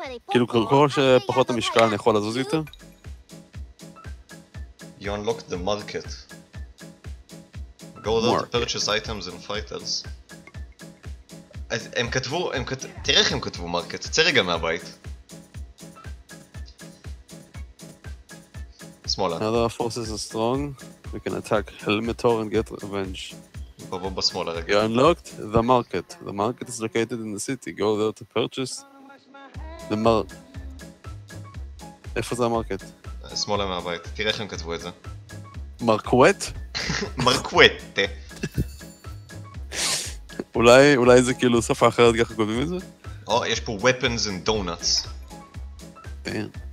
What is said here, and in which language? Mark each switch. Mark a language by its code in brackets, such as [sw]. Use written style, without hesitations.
[he] כאילו, ככל שפחות המשקל אני יכול לזוז יותר? [en] You unlock the market. Go there to purchase items and fighters. [he] אז הם כתבו, תראה איך הם כתבו מרקט, צא רגע מהבית. שמאלה. [en] Another forces are strong, we can attack Helmetor and get revenge. [he] בואו בשמאלה רגע. [en] You unlocked the market. The market is located in the city. Go there to purchase the [he] איפה זה המרקט? שמאלה מהבית, תראה איך הם כתבו את זה. מרקווט? מרקווטה. אולי זה כאילו שפה אחרת ככה קובעים את זה? או, יש פה [en] weapons and donuts. [he] דיין.